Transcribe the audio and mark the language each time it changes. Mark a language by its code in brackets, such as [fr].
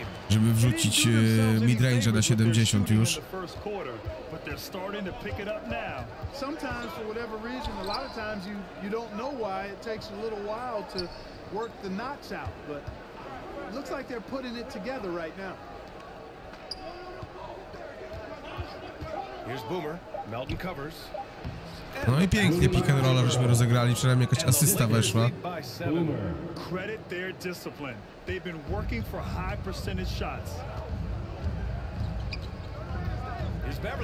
[pl] Żeby wrzucić midrange'a na 70 już. [en] Sometimes for whatever reason, a lot of times you don't know why it takes a little while to work the notch out, but it looks like they're putting it together right now. Here's Boomer. Melton covers. [pl] No i pięknie pick and roll, żeśmy rozegrali, przynajmniej jakaś asysta weszła. [en] Credit their discipline. They've been working for high percentage shots. Here's